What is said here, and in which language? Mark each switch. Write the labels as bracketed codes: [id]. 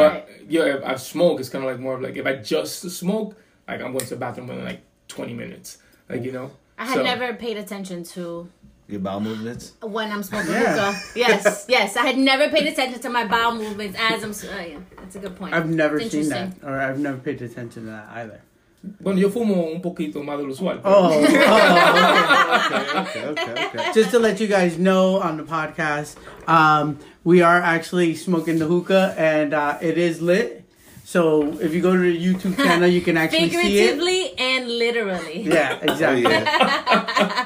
[en] But yeah, if I smoke, it's kind of like more of like if I just smoke, like I'm going to the bathroom within like 20 minutes, like you know. I had never paid attention to Your bowel movements? When I'm smoking hookah. Yes, yes. I had never paid attention to my bowel movements as I'm smoking. That's a good point. I've never seen that. Or I've never paid attention to that either. [es] Bueno, yo fumo un poquito más de lo usual. [en] Okay. Just to let you guys know on the podcast, we are actually smoking the hookah, and it is lit. So if you go to the YouTube channel, you can actually see it. Figuratively and literally. Yeah, exactly. Oh, yeah.